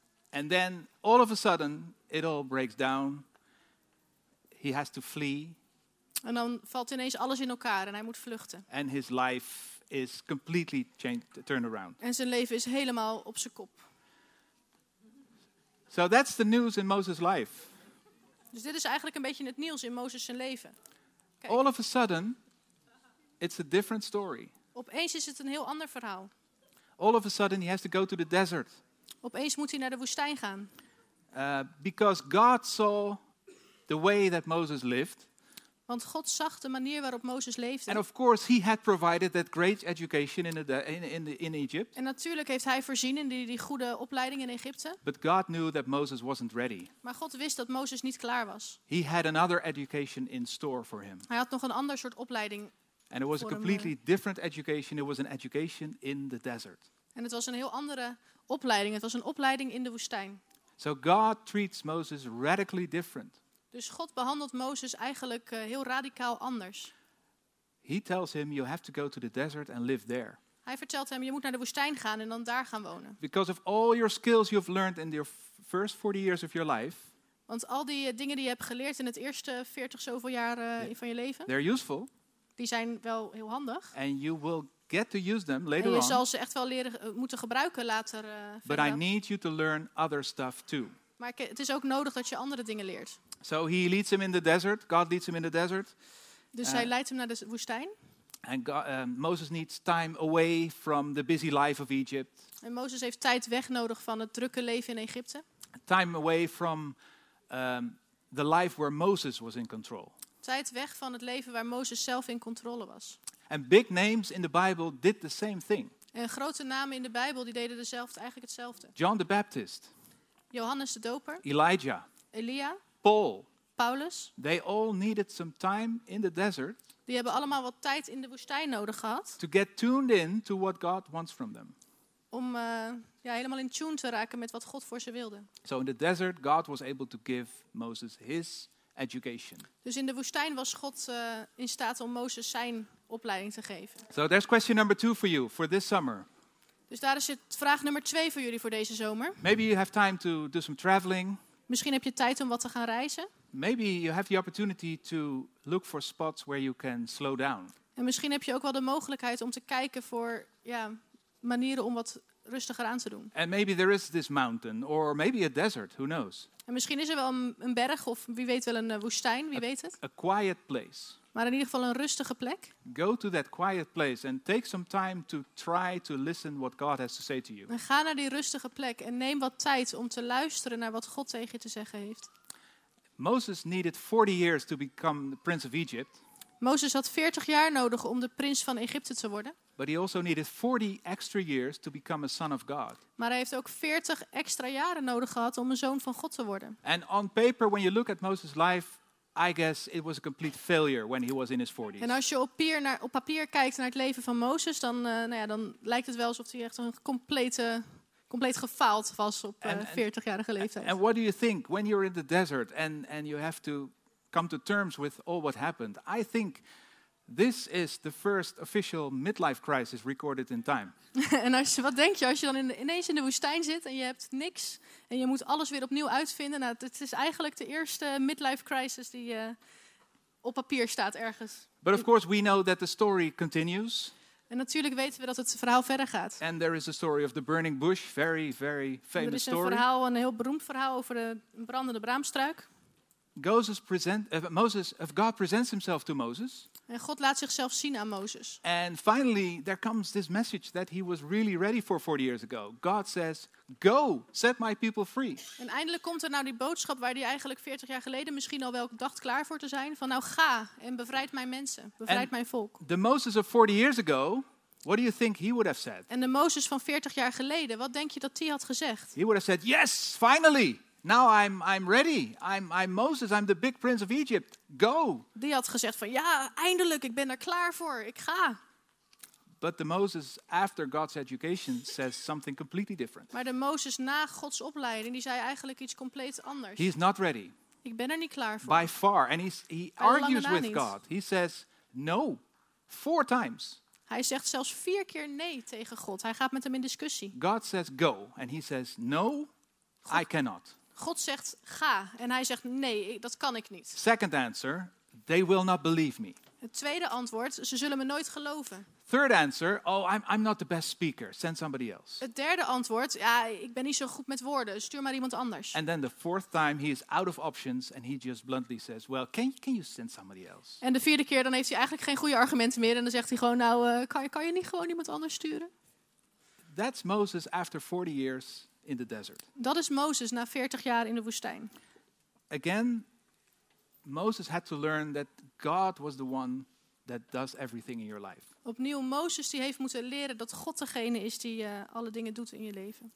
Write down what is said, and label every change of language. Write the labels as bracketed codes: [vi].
[en] And then all of a sudden it all breaks down. He has to flee. [nl] En dan valt ineens alles in elkaar en hij moet vluchten. [en] And his life is completely turned around. [nl] En zijn leven is helemaal op zijn kop. [en] So that's the news in Moses' life. [nl] Dus dit is eigenlijk een beetje het nieuws in Moses' zijn leven. Kijk. [en] All of a sudden it's a different story. [nl] Opeens is het een heel ander verhaal. [en] All of a sudden he has to go to the desert. [nl] Opeens moet hij naar de woestijn gaan. [en] Because God saw the way that Moses lived. [nl] Want God zag de manier waarop Mozes leefde. [en] And of course he had provided that great education in Egypt. [nl] En natuurlijk heeft hij voorzien in die goede opleiding in Egypte. [en] But God knew that Moses wasn't ready. [nl] Maar God wist dat Mozes niet klaar was. [en] He had another education in store for him. [nl] Hij had nog een ander soort opleiding. [en] And it was a completely different education. It was an education in the desert. [nl] En het was een heel andere opleiding. Het was een opleiding in de woestijn. [en] So God treats Moses radically different. [nl] Dus God behandelt Mozes eigenlijk heel radicaal anders. [en] He tells him, you have to go to the desert and live there. [nl] Hij vertelt hem, je moet naar de woestijn gaan en dan daar gaan wonen. [en] Because of all your skills you've learned in the first 40 years of your life. [nl] Want al die dingen die je hebt geleerd in het eerste 40 zoveel jaar van je leven. [en] They're useful. [nl] Die zijn wel heel handig. [en] And you will get to use them later on. [nl] En je zal ze echt wel leren moeten gebruiken later. [en] But I need you to learn other stuff too. [nl] Maar het is ook nodig dat je andere dingen leert. [en] So he leads him in the desert. God leads him in the desert. [nl] Dus hij leidt hem naar de woestijn. [en] And God, Moses needs time away from the busy life of Egypt. [nl] En Mozes heeft tijd weg nodig van het drukke leven in Egypte. [en] Time away from the life where Moses was in control. [nl] Tijd weg van het leven waar Mozes zelf in controle was. [en] And big names in the Bible did the same thing. [nl] En grote namen in de Bijbel die deden dezelfde, eigenlijk hetzelfde. [en] John the Baptist. [nl] Johannes de Doper. [en] Elijah. [nl] Elia. [en] Paul. [nl] Paulus. [en] They all needed some time in the desert. [nl] Die hebben allemaal wat tijd in de woestijn nodig gehad. [en] To get tuned in to what God wants from them. [nl] Om helemaal in tune te raken met wat God voor ze wilde. [en] So in the desert God was able to give Moses his education. [nl] Dus in de woestijn was God in staat om Mozes zijn opleiding te geven. [en] So there's question number two for you for this summer. [nl] Dus daar is het vraag nummer twee voor jullie voor deze zomer. [en] Maybe you have time to do some traveling. [nl] Misschien heb je tijd om wat te gaan reizen. [en] Maybe you have the opportunity to look for spots where you can slow down. [nl] En misschien heb je ook wel de mogelijkheid om te kijken voor manieren om wat rustiger aan te doen. [en] And maybe there is this mountain or maybe a desert, who knows. [nl] En misschien is er wel een berg of wie weet wel een woestijn, wie weet het. [en] A quiet place. [nl] Maar in ieder geval een rustige plek. [en] Go to that quiet place and take some time to try to listen what God has to say to you. [nl] En ga naar die rustige plek en neem wat tijd om te luisteren naar wat God tegen je te zeggen heeft. [en] Moses needed 40 years to become the prince of Egypt. [nl] Mozes had 40 jaar nodig om de prins van Egypte te worden. [en] But he also needed 40 extra years to become a son of God. [nl] Maar hij heeft ook 40 extra jaren nodig gehad om een zoon van God te worden. [en] And on paper, when you look at Moses' life, I guess it was a complete failure when he was in his 40s. [nl] En als je op papier kijkt naar het leven van Mozes, dan lijkt het wel alsof hij echt een compleet gefaald was op 40-jarige leeftijd. [en] And what do you think when you're in the desert and you have to come to terms with all what happened? I think this is the first official midlife crisis recorded in time. [nl] En als je, wat denk je als je dan ineens in de woestijn zit en je hebt niks en je moet alles weer opnieuw uitvinden? Nou, het is eigenlijk de eerste midlife crisis die op papier staat ergens. [en] But of course we know that the story continues. [nl] En natuurlijk weten we dat het verhaal verder gaat. [en] And there is a story of the burning bush, very, very famous story. [nl] Er is een verhaal, een heel beroemd verhaal over de brandende braamstruik. [en] God presents himself to Moses. [nl] En God laat zichzelf zien aan Mozes. [en] And finally, there comes this message that he was really ready for 40 years ago. God says, "Go, set my people free." [nl] En eindelijk komt er nou die boodschap waar hij eigenlijk 40 jaar geleden misschien al wel dacht klaar voor te zijn. Van nou ga en bevrijd mijn mensen, bevrijd mijn volk. [en] The Moses of 40 years ago, what do you think he would have said? [nl] En de Mozes van 40 jaar geleden, wat denk je dat die had gezegd? [en] He would have said, "Yes, finally." Now I'm ready. I'm Moses. I'm the big prince of Egypt. Go. [nl] Die had gezegd van ja, eindelijk, ik ben er klaar voor. Ik ga. [en] But the Moses after God's education says something completely different. [nl] Maar de Mozes na Gods opleiding, die zei eigenlijk iets compleet anders. [en] He's not ready. [nl] Ik ben er niet klaar voor. [en] By far, and he argues with God. He says no 4 times. [nl] Hij zegt zelfs 4 keer nee tegen God. Hij gaat met hem in discussie. [en] God says go, and he says no. I cannot. [nl] God zegt ga en hij zegt nee, dat kan ik niet. [en] Second answer, they will not believe me. [nl] Het tweede antwoord, ze zullen me nooit geloven. [en] Third answer, oh, I'm not the best speaker. Send somebody else. [nl] Het derde antwoord, ja, ik ben niet zo goed met woorden. Stuur maar iemand anders. [en] And then the fourth time, he is out of options and he just bluntly says, well, can you send somebody else? [nl] En de vierde keer, dan heeft hij eigenlijk geen goede argumenten meer en dan zegt hij gewoon, nou, kan je niet gewoon iemand anders sturen? [en] That's Moses after 40 years. In the desert. [nl] Dat is Mozes na 40 jaar in de woestijn. [en] Again, Moses had to learn that God was the one that does everything in your life. [nl] Opnieuw Mozes die heeft moeten leren dat God degene is die alle dingen doet in je leven.